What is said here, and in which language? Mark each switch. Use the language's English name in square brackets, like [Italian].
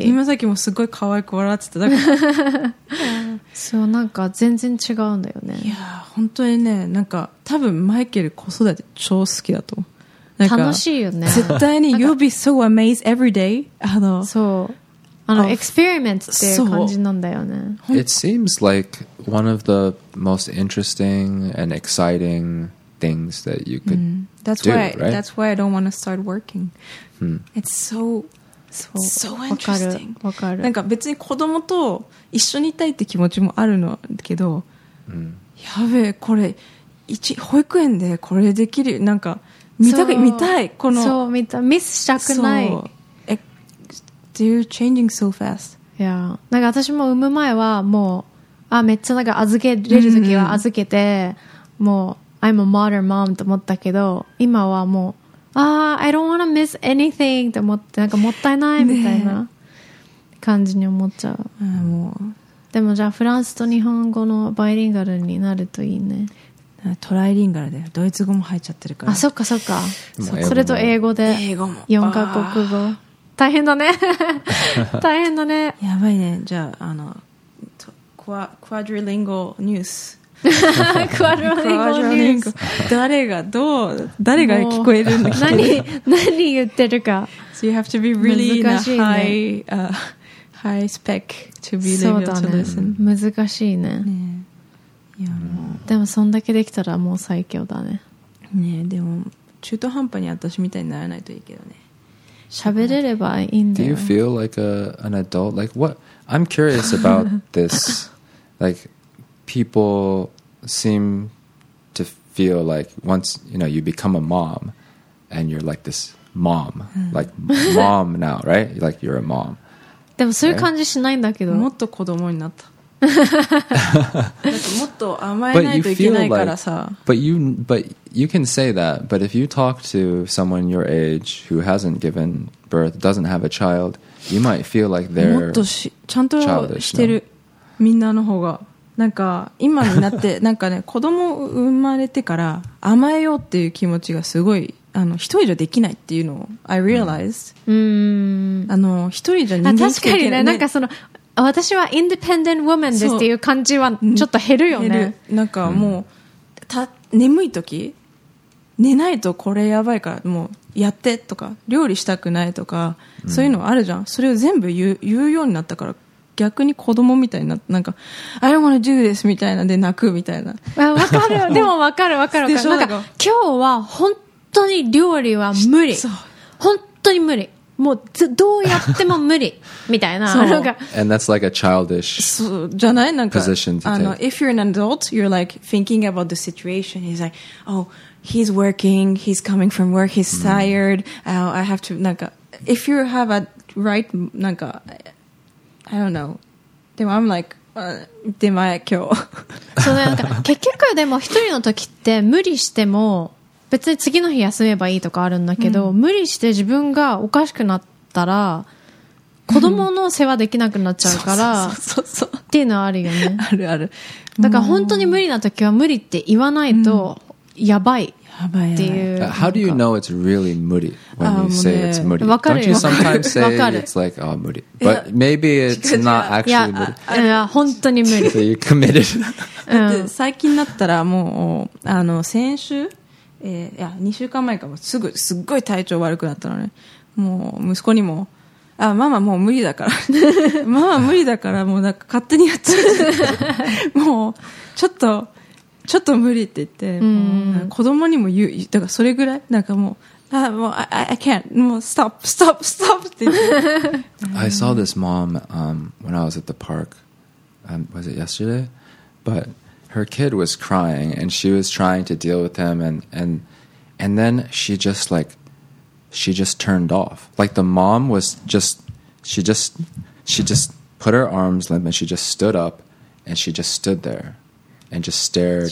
[Japanese] 今さっきもすごい可愛く笑ってただから。そうなんか全然違うんだよね。いや本当にね、なんか多分マイケル子育て超好きだと思う。楽しいよね。絶対に [English] You'll be so amazed every day. あの [Japanese] そうあのエクスペリメントっていう感じなんだよね。 [English] It seems like one of the most interesting and exciting things that you could that's do, why, right? That's why I don't want to start working. It's so interesting. [Japanese] わかる。なんか別に子供と一緒にいたいって気持ちもあるのけど、やべえこれ保育園でこれできる、なんか見たく見たい、このそう見たミスしたくない。そう。 [English] They're changing so fast. [Japanese] Yeah. なんか私も産む前はもうあめっちゃなんか預けれる時は預けて、もう [English] I'm a modern mom [Japanese] と思ったけど、今はもう [English] I don't want to miss anything [Japanese] と思ってなんかもったいないみたいな感じに思っちゃう。もうでもじゃあフランスと日本語のバイリンガルになるといいね。トライリンガルでドイツ語も入っちゃってるから。あそっかそっか。そう、それと英語で英語も 4カ国語大変だね。大変だね。やばいね。じゃああのクワドリリンゴニュースクワドリンゴニュース誰がどう誰が聞こえるんだ何言ってるか。 [English] So you have to be really in a high spec to be able to listen。 [Japanese] 難しいね。でもそんだけできたらもう最強だね。ねえ、でも中途半端に私みたいにならないといいけどね。喋れればいいんだよ。 [English] Do you feel like an adult? Like what? I'm curious about this. Like people seem to feel like once you know you become a mom and you're like this mom、うん、like mom now right like you're a mom [Japanese] でもそういう感じしないんだけど、 right? もっと子供になったなんかもっと甘えないといけないからさ [English] but you can say that but if you talk to someone your age who hasn't given birth doesn't have a child you might feel like they're [Japanese] もっとしちゃんとしてる、no? みんなの方がなんか今になってなんかね子供生まれてから甘えようっていう気持ちがすごいあの一人じゃできないっていうのを [English] I realized、 [Japanese] うん、あの一人じゃ人間しかいけない、ね、確かにねなんかその私はインディペンデントウォーマンですっていう感じはちょっと減るよね減るなんかもう、うん、た眠い時寝ないとこれやばいからもうやってとか料理したくないとか、うん、そういうのあるじゃんそれを全部言うようになったから逆に子供みたいになんか [English] I don't wanna do this [Japanese] みたいなで泣くみたいなわかるでもわかるなんか今日は本当に料理は無理そう本当に無理もうどうやっても無理みたいな。そう。 [English] And that's like a childish [Japanese] そうじゃないなんか [English] position to take. あの if you're an adult, you're like thinking about the situation. He's like, oh, he's working. He's coming from work. He's tired.、Mm. I have to なんか if you have a right なんか I don't know. [Japanese] でも [English] I'm like、 [Japanese] 出前今日。そうなんか結局でも一人の時って無理しても。別に次の日休めばいいとかあるんだけど、うん、無理して自分がおかしくなったら子供の世話できなくなっちゃうからっていうのはあるよねあるあるだから本当に無理な時は無理って言わないとやばいっていう、うん、 [English] How do you know it's really 無理 when you say it's 無理 [Japanese] 分かるよ [English] Don't you sometimes say it's like ah、oh, 無理 But maybe it's not actually 無理 [Japanese] いや本当に無理 [English] So you committed [Japanese] 最近だったらもうあの先週いや2週間前かもすぐすっごい体調悪くなったのねもう息子にもあママもう無理だからママ無理だからもうなんか勝手にやっちゃうもうちょっと無理って言って、うん、子供にも言うだからそれぐらいなんかもうあもう [English] I can't [Japanese] もうストップって言って [English] I saw this mom、when I was at the park、was it yesterday? butHer kid was crying, and she was trying to deal with him, and then she just like, she just turned off. Like the mom was just, she just put her arms limp, and she just stood up, and she just stood there, and just stared.